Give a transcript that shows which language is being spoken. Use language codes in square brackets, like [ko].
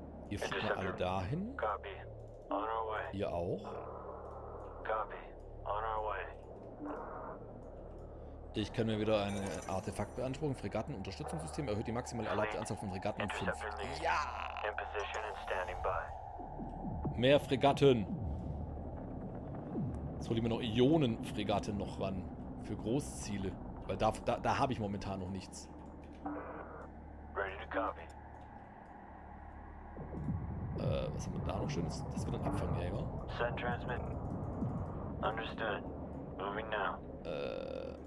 [de] Ihr fliegt mal alle dahin. [en] Copy. On our way. [de] Ihr auch. [en] Copy. On our way. [de] Ich kann mir wieder eine Artefakt beanspruchen. Fregatten-Unterstützungssystem erhöht die maximale erlaubte Anzahl von Fregatten um 5. Ja! [en] In position and standing by. [de] Mehr Fregatten! Jetzt hole ich mir noch Ionen-Fregatten noch ran. Für Großziele. Weil da habe ich momentan noch nichts. [en] Ready to copy. [de] Was haben wir da noch Schönes? Das wird ein Abfangjäger. [en] Send transmit. Understood. Moving now.